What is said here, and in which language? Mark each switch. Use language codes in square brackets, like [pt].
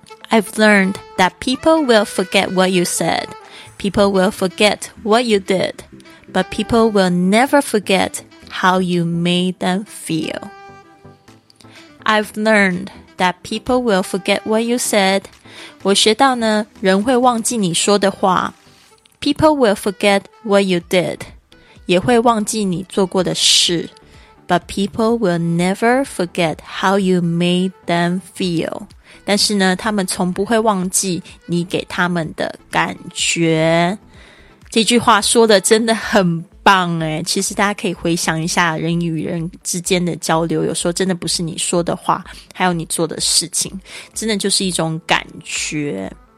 [en] I've learned that people will forget what you said. People will forget what you did. But people will never forget how you made them feel. I've learned that people will forget what you said. [zh] 我学到呢，人会忘记你说的话。 [en] People will forget what you did. [zh] 也会忘记你做过的事。 [en] But people will never forget how you made them feel. [zh] 但是呢，他们从不会忘记你给他们的感觉。这句话说的真的很棒诶，其实大家可以回想一下人与人之间的交流，有时候真的不是你说的话，还有你做的事情，真的就是一种感觉。